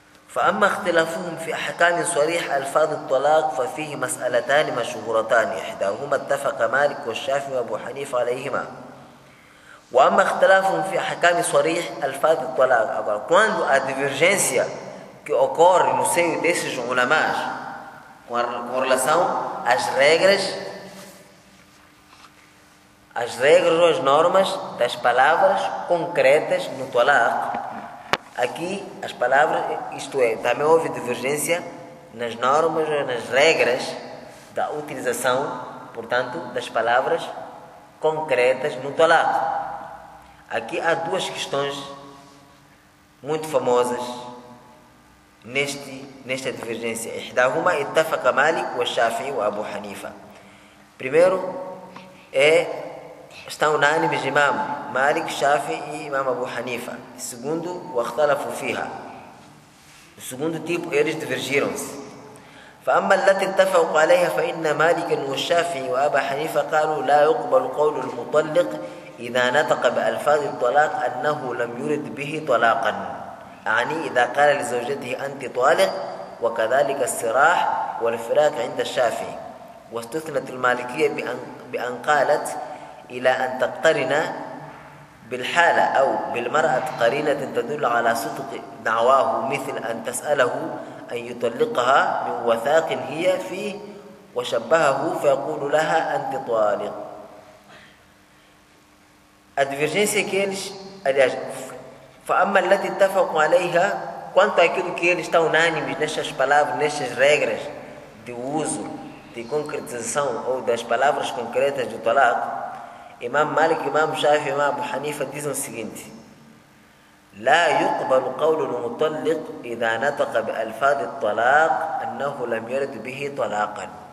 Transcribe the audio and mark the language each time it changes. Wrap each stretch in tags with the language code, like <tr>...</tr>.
<ar>فأما اختلافهم في أحكام صريح ألفاظ الطلاق ففيه مسألتان مشهورتان إحداهما اتفق مالك والشافعي وأبو حنيفة عليهما وأما اختلافهم في أحكام صريح ألفاظ الطلاق</ar> <pt>agora quando a divergência que ocorre no seio desses ulamas com relação às regras ou às normas das palavras concretas no talaq. Aqui as palavras, isto é, também houve divergência nas normas, nas regras da utilização, portanto, das palavras concretas no talaq. Aqui há duas questões muito famosas nesta divergência.</pt> <ar>Ihdahuma ittafaqa Malik wa Shafi wa Abu Hanifa.</ar> <pt>Primeiro é, estão unânimes Imam Malik, Shafi e Imam Abu Hanifa.</pt> <ar>Segundo, واختلفوا فيها.</ar> <pt>O segundo tipo, eles divergiram-se.</pt> <ar>فأما التي اتفقوا عليها فإن مالك والشافعي وأبا حنيفة قالوا لا يقبل قول المطلق إذا نطق بألفاظ الطلاق أنه لم يرد به طلاقا. يعني إذا قال لزوجته أنت طالق وكذلك السراح والفراق عند الشافعي. واستثنت المالكية بأن قالت إلى أن تقترن بالحالة أو بالمرأة قرينة تدل على صدق دعواه مثل أن تسأله أن يطلقها من وثاق هي فيه وشبهه فيقول لها أنت طالق.</ar> <pt>Divergência que eles, aliás,</pt> <ar>فأما التي اتفقوا عليها,</ar> <pt>quanto àquilo que eles estão unânimes nestas palavras, nestas regras de uso, de concretização ou das palavras concretas do talaq, Imam Malik, Imam Shafi, Imam Abu Hanifa dizem o seguinte:</pt> <ar>لا يقبل قول المطلق إذا نطق بألفاظ الطلاق أنه لم يرد به طلاقا.</ar>